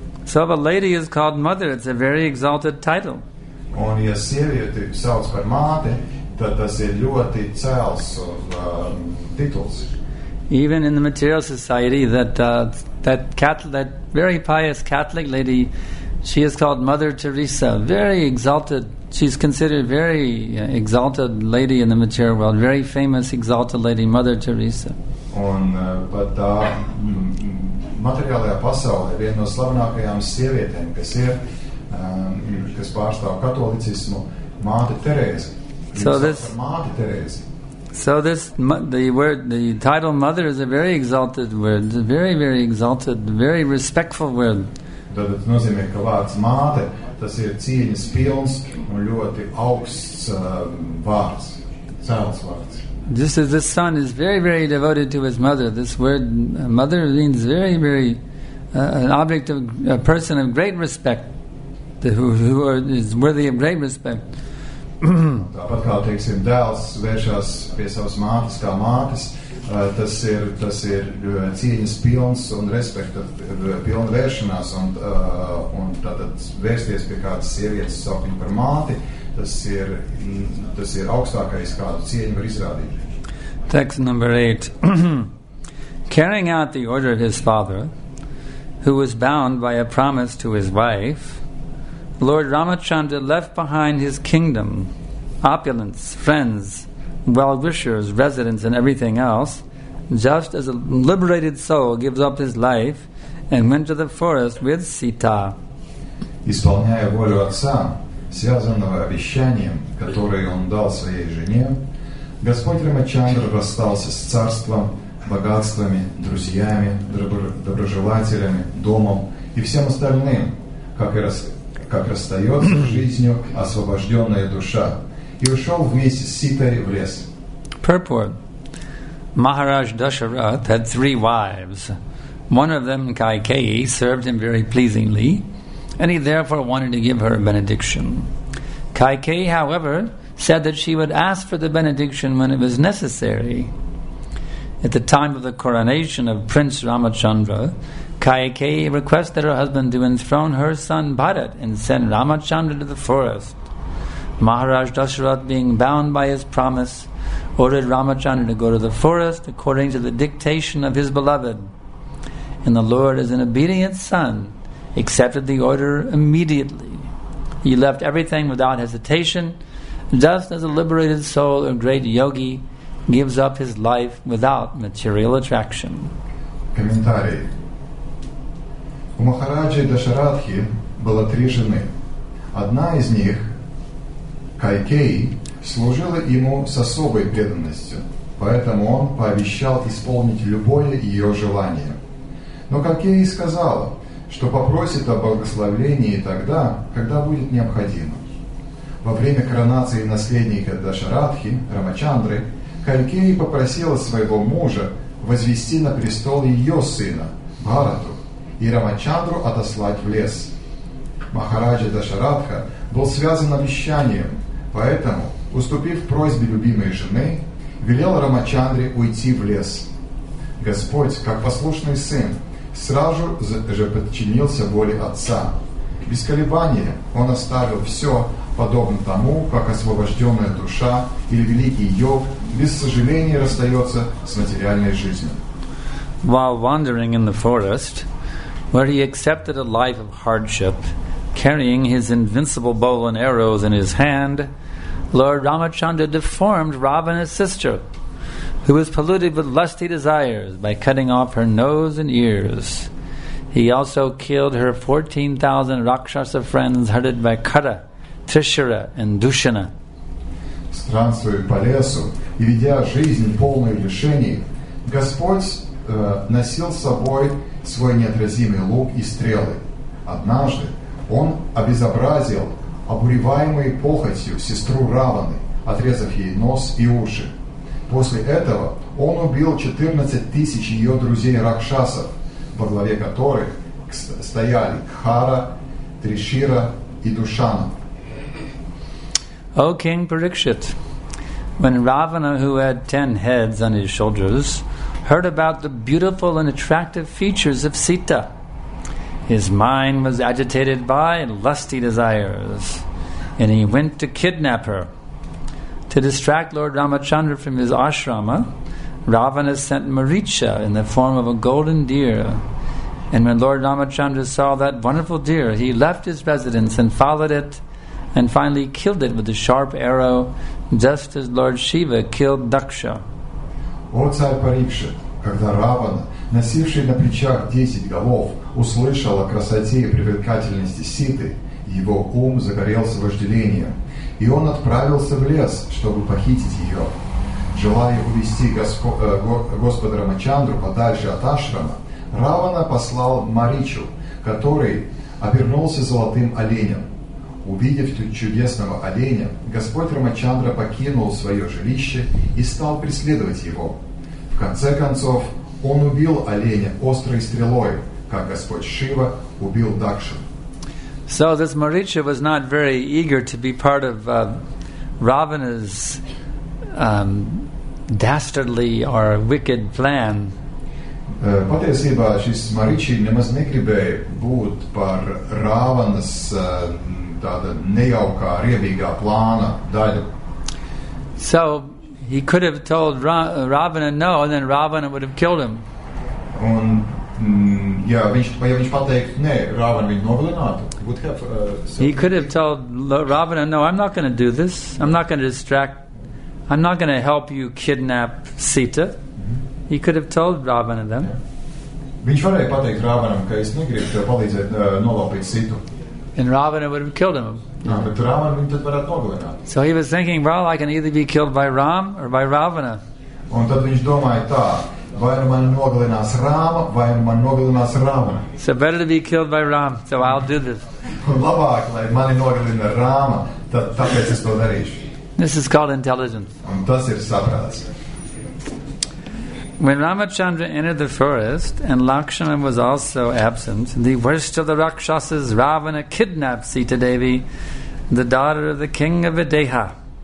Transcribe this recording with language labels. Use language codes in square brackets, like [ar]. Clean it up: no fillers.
[en] So if a lady is called mother, it's a very exalted title. [lv] Un, ja sievieti sauc par māti, tad tas ir ļoti cēls tituls. [en] Even in the material society, that very pious Catholic lady She is called Mother Teresa, very exalted. She's considered very exalted lady in the material world, very famous exalted lady, Mother Teresa. [lv] Un pat tā materiālajā pasaulē viena no slavenākajām sievietēm, kas ir kas pārstāv katolicismu, Māte Terēze. [en] The title mother is a very exalted word, a very very exalted, very respectful word. [lv] Tad tas nozīmē, ka vārds Māte, tas ir cieņas pilns un ļoti augsts vārds, cēls vārds. [en] Just as the son is very, very devoted to his mother, this word mother means very, very an object of a person of great respect, who is worthy of great respect. [lv] Tāpat kā, teiksim, dēls vēršās pie savas mātes kā mātes, tas ir cieņas pilns un respekta pilna vēršanās, un tātad vērsties pie kādas sievietes savu par māti, tas ir augstākais, kādu cieņu var izrādīt. [en] Text number 8. Carrying out the order of his father, who was bound by a promise to his wife, Lord Ramachandra left behind his kingdom, opulence, friends, well-wishers, residence, and everything else, just as a liberated soul gives up his life and went to the forest with Sita. [ru] Исполняя волю отца, связанного обещанием, которое он дал своей жене, Господь Рамачандра расстался с царством, богатствами, друзьями, доброжелателями, домом и всем остальным, как расстается с жизнью освобожденная душа, и ушел вместе с Ситой в лес. [en] Purport. Maharaj Dasharath had three wives. One of them, Kaikeyi, served him very pleasingly, and he therefore wanted to give her a benediction. Kaikeyi, however, said that she would ask for the benediction when it was necessary. At the time of the coronation of Prince Ramachandra, Kaikeyi requested her husband to enthrone her son Bharat and send Ramachandra to the forest. Maharaj Dasharath, being bound by his promise, ordered Ramachandra to go to the forest according to the dictation of his beloved. And the Lord, as an obedient son, accepted the order immediately. He left everything without hesitation, just as a liberated soul or great yogi gives up his life without material attraction. [ru] Комментарий. У Махараджи Дашарадхи было три жены. Одна из них, Кайкеи, служила ему с особой преданностью, поэтому он пообещал исполнить любое ее желание. Но Кайкеи сказала, что попросит о благословении тогда, когда будет необходимо. Во время коронации наследника Дашарадхи, Рамачандры, Кайкеи попросила своего мужа возвести на престол ее сына, Бхарату, и Рамачандру отослать в лес. Махараджа Дашарадха был связан обещанием, поэтому, уступив просьбе любимой жены, велел Рамачандре уйти в лес. Господь, как послушный сын, сразу же подчинился воле отца. Без колебания он оставил все, подобно тому, как освобожденная душа или великий йог без сожаления расстается с материальной жизнью. [en] While wandering in the forest, where he accepted a life of hardship, carrying his invincible bow and arrows in his hand, Lord Ramachandra deformed Ravana's sister, who was polluted with lusty desires, by cutting off her nose and ears. He also killed her 14,000 rakshasa friends headed by Kara, Trishura and Dushana. [ru] Странствуя по лесу и ведя жизнь полную лишений, Господь носил с собой свой неотразимый лук и стрелы. Однажды он обезобразил обуреваемой похотью сестру Раваны, отрезав ей нос и уши. После этого он убил 14 тысяч ее друзей ракшасов, во главе которых стояли Кхара, Тришира и Душана. [en] O King Parikshit, when Ravana, who had 10 heads on his shoulders, heard about the beautiful and attractive features of Sita, his mind was agitated by lusty desires, and he went to kidnap her. To distract Lord Ramachandra from his ashrama, Ravana sent Maricha in the form of a golden deer. And when Lord Ramachandra saw that wonderful deer, he left his residence and followed it and finally killed it with a sharp arrow, just as Lord Shiva killed Daksha. [ru] О царь Парикшит, когда Равана, носивший на плечах 10 голов, услышал о красоте и привлекательности Ситы, его ум загорелся вожделением, и он отправился в лес, чтобы похитить ее. Желая увести Господа Рамачандру подальше от ашрама, Равана послал Маричу, который обернулся золотым оленем. Увидев чудесного оленя, Господь Рамачандра покинул свое жилище и стал преследовать его. В конце концов, он убил оленя острой стрелой, как Господь Шива убил Дакшу. [en] So this Maricha was not very eager to be part of Ravana's dastardly or wicked plan. [lv] Patiesībā šis Maricha nemaz negribēja būt par Ravanas tāda nejaukā, riebīgā plāna daļa. [en] So he could have told Ravana no, and then Ravana would have killed him. [lv] Un, ja viņš, ja viņš pateikt, nē, Ravana viņu nogalinātu. [en] He could have told Ravana, no, I'm not going to do this. I'm not going to distract. I'm not going to help you kidnap Sita. He could have told Ravana then. [lv] Viņš varēja pateikt Ravanam, ka es negribu palīdzēt nolaupīt Situ. [en] And Ravana would have killed him. [lv] Bet Ravana viņu tad varētu nogalināt. [en] So he was thinking, well, I can either be killed by Ram or by Ravana. [lv] Un tad viņš domāja tā, vai nu mani nogalinās Rāma, vai nu mani nogalinās Ravana. [en] So better to be killed by Ram, so I'll do this. [lv] Un labāk, lai mani nogalina Rāma, tāpēc es to darīšu. [en] This is called intelligence. [lv] Un tas ir saprāts. [en] When Ramachandra entered the forest and Lakshmana was also absent, the worst of the Rakshasas, Ravana, kidnapped Sita Devi, the daughter of the king of Videha.